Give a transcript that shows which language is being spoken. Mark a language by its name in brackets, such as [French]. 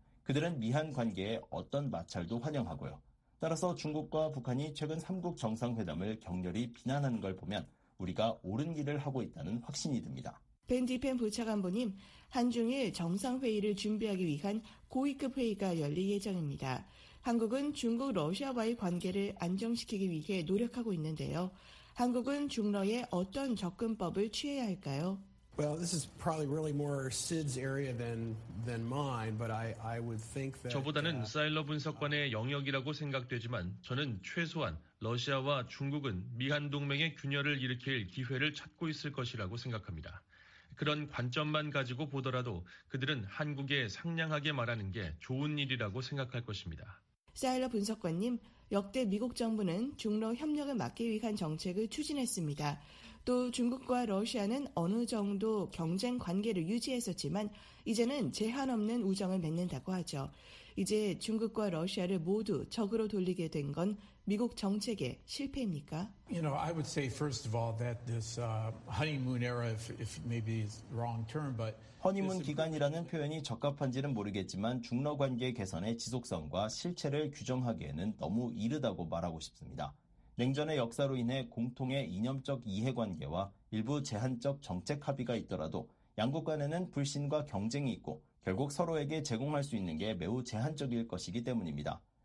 [Korean] 그들은 미한 관계에 어떤 마찰도 환영하고요. 따라서 중국과 북한이 최근 3국 정상회담을 격렬히 비난하는 걸 보면 우리가 옳은 일을 하고 있다는 확신이 듭니다. 벤 디펜 부차관보님, 한중일 정상회의를 준비하기 위한 고위급 회의가 열릴 예정입니다. 한국은 중국 러시아와의 관계를 안정시키기 위해 노력하고 있는데요. 한국은 중러에 어떤 접근법을 취해야 할까요? [English] Well, this is probably really more Sid's area than mine, but I would think that [Korean] 저보다는 사일러 분석관의 영역이라고 생각되지만 저는 최소한 러시아와 중국은 미한 동맹의 균열을 일으킬 기회를 찾고 있을 것이라고 생각합니다. 그런 관점만 가지고 보더라도 그들은 한국에 상냥하게 말하는 게 좋은 일이라고 생각할 것입니다. 사일러 분석관님, 역대 미국 정부는 중러 협력을 막기 위한 정책을 추진했습니다. 또 중국과 러시아는 어느 정도 경쟁 관계를 유지했었지만 이제는 제한 없는 우정을 맺는다고 하죠. 이제 중국과 러시아를 모두 적으로 돌리게 된 건 미국 정책의 실패입니까? [English] You know, I would say first of all that this honeymoon era, if maybe it's the wrong term, but [Korean] 허니문 기간이라는 표현이 적합한지는 모르겠지만 중러 관계 개선의 지속성과 실체를 규정하기에는 너무 이르다고 말하고 싶습니다. 냉전의 역사로 인해 공통의 이념적 이해관계와 일부 제한적 정책 합의가 있더라도 양국 간에는 불신과 경쟁이 있고 결국 서로에게 제공할 수 있는 게 매우 제한적일 것이기 때문입니다.